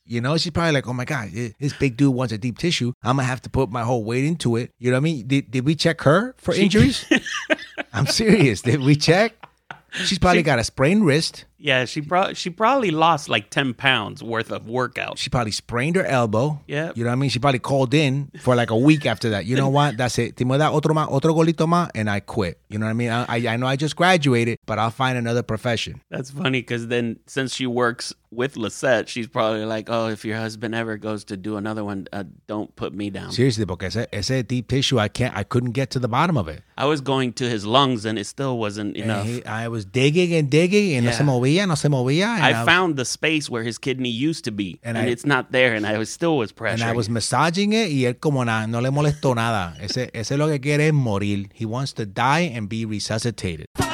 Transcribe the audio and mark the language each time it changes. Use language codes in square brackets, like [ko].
[en] You know, she's probably like, oh my God, this big dude wants a deep tissue. I'm going to have to put my whole weight into it. You know what I mean? Did we check her for injuries? I'm serious. Did we check? She's probably got a sprained wrist. Yeah, she probably lost like 10 pounds worth of workout. She probably sprained her elbow. Yeah. You know what I mean? She probably called in for like a week after that. You know what? That's it. [es] Timo da otro más, otro golito más, [en] and I quit. You know what I mean? I know I just graduated, but I'll find another profession. That's funny because then since she works with Lisette, she's probably like, oh, if your husband ever goes to do another one, don't put me down. Seriously, [es] porque ese [en] deep tissue, I couldn't get to the bottom of it. I was going to his lungs and it still wasn't enough. I was digging and digging and yeah. I found the space where his kidney used to be, and it's not there, and I was pressuring. And I was massaging it, [es] y él como no le molestó nada. Ese lo que quiere es morir. [en] He wants to die and be resuscitated.